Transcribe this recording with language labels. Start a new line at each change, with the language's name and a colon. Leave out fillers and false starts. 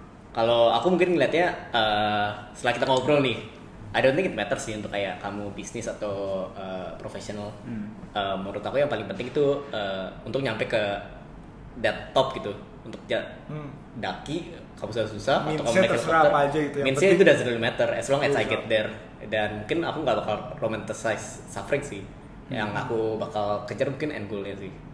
Indonesian: Kalau aku mungkin ngeliatnya setelah kita ngobrol nih,
English: I don't think it matters
Indonesian: sih untuk kayak kamu bisnis atau profesional. Menurut aku yang paling penting itu untuk nyampe ke
English: that top
Indonesian: gitu, untuk daki kamu susah-susah atau kamu naik helikopter,
English: means
Indonesian: itu
English: doesn't really matter as long as I get there.
Indonesian: Dan mungkin aku gak bakal romanticize suffering sih. Yang aku bakal kejar mungkin end goalnya sih.